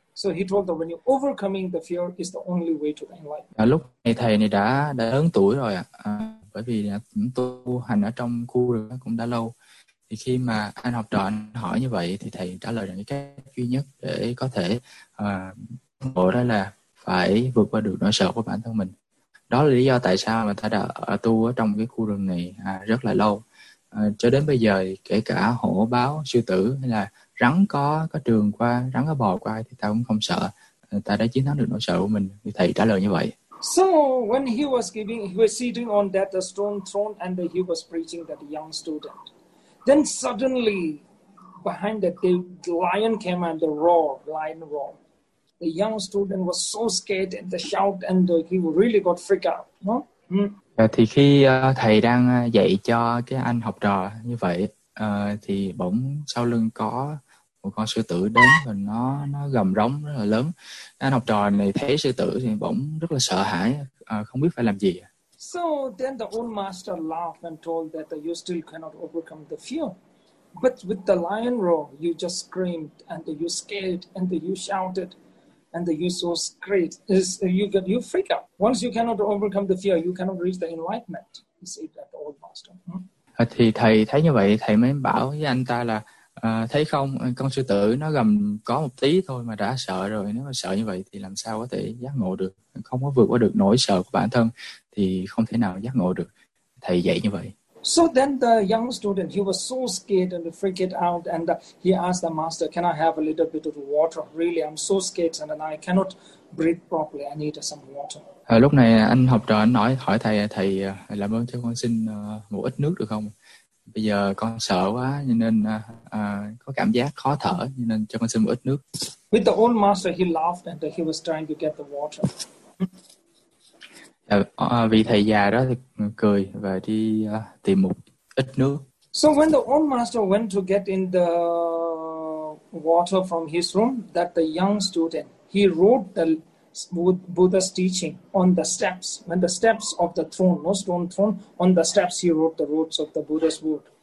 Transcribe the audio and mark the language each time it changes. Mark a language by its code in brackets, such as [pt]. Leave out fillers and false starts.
[en] So he told that when you're overcoming the fear is the only way to enlighten. [vi] À, lúc này thầy này đã lớn tuổi rồi ạ. À, bởi vì cũng tu hành ở trong khu rừng cũng đã lâu. Thì khi mà anh học trò anh hỏi như vậy thì thầy trả lời rằng cái cách duy nhất để có thể bộ đó là phải vượt qua được nỗi sợ của bản thân mình. Đó là lý do tại sao mà thầy đã tu ở trong cái khu rừng này rất là lâu. Cho đến bây giờ kể cả hổ báo, sư tử hay là rắn có trường qua, rắn có bò qua thì ta cũng không sợ. Ta đã chiến thắng được nỗi sợ của mình. Thì thầy trả lời như vậy. [en] So when he was sitting on that stone throne and he was preaching that young student. Then suddenly behind that the lion came and the roar, lion roar. The young student was so scared and the shout and he really got freaked out. No? [vi] Thì khi thầy đang dạy cho cái anh học trò như vậy, thì bỗng sau lưng có một con sư tử đến và nó gầm rống rất là lớn. Anh học trò này thấy sư tử thì bỗng rất là sợ hãi, không biết phải làm gì. [en] So then the old master laughed and told that you still cannot overcome the fear. But with the lion roar, you just screamed and you scared and you shouted. And the use of great is you freak out. Once you cannot overcome the fear, you cannot reach the enlightenment. He said that the old master. [vi] Thì thầy thấy như vậy, thầy mới bảo với anh ta là thấy không, con sư tử nó gầm có một tí thôi mà đã sợ rồi. Nếu mà sợ như vậy thì làm sao có thể giác ngộ được? Không có vượt qua được nỗi sợ của bản thân thì không thể nào giác ngộ được. Thầy dạy như vậy. [en] So then the young student, he was so scared and freaked out and he asked the master, can I have a little bit of water? Really, I'm so scared and I cannot breathe properly. I need some water. [vi] Lúc này anh học trò anh hỏi thầy, thầy làm ơn cho con xin một ít nước được không? Bây giờ con sợ quá nên có cảm giác khó thở nên cho con xin một ít nước. [en] With the old master, he laughed and he was trying to get the water. [vi] Vì thầy già đó thì cười và đi tìm một ít nước. [en] So when the old master went to get in the water from his room, that the young student, he wrote the Buddha's teaching on the steps, when the steps of the throne, no stone throne, on the steps he wrote the roots of the Buddha's word.